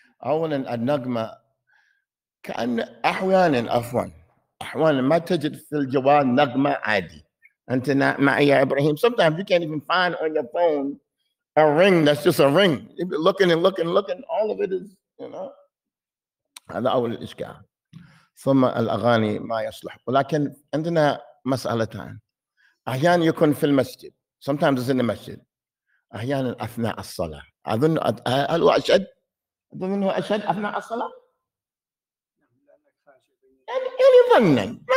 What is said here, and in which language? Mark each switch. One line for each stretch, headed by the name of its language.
Arabic: أولا النغمة كأن أحوانا ما تجد في الجوال نغمة عادي. أنت معي يا إبراهيم.
English: Sometimes you can't even find on your phone a ring that's just a ring. You're looking, all of it is, you know.
Arabic: هذا أول الإشكال. ثم الأغاني ما يصلح. ولكن عندنا مسألتان. أحيانا يكون في المسجد.
English: Sometimes it's in the masjid.
Arabic: أحيانا أثناء الصلاة. أظن هل هو أشد؟ أظن أنه أشد أثناء الصلاة؟ يعني ظنن.